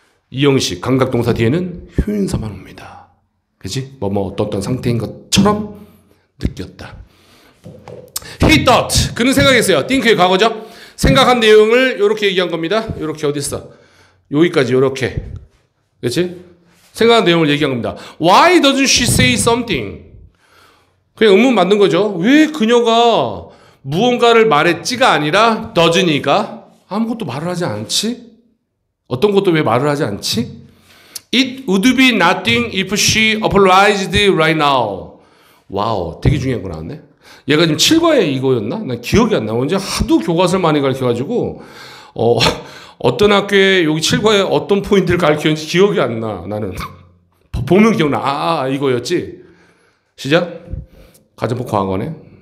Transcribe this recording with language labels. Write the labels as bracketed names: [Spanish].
[Korean] 이형식 감각동사 뒤에는 효인사만 옵니다. 그지? 뭐뭐 어떤 상태인 것처럼 느꼈다. [English] He thought. [Korean] 그는 생각했어요. Think의 과거죠. 생각한 내용을 이렇게 얘기한 겁니다. 이렇게 어디 있어? 여기까지 이렇게. 그렇지? 생각한 내용을 얘기한 겁니다. [English] Why doesn't she say something? [Korean] 그냥 의문 맞는 거죠. 왜 그녀가 무언가를 말했지가 아니라 doesn't이가 아무것도 말을 하지 않지? 어떤 것도 왜 말을 하지 않지? [English] It would be nothing if she apologized right now. [Korean] 와우, 되게 중요한 거 나왔네. 얘가 지금 7과에 이거였나? 난 기억이 안 나. 언제 하도 교과서를 많이 가르쳐가지고 어떤 학교에 여기 7과에 어떤 포인트를 가르쳤는지 기억이 안 나. 나는 보면 기억나. 이거였지. 시작. 가정법 과거네.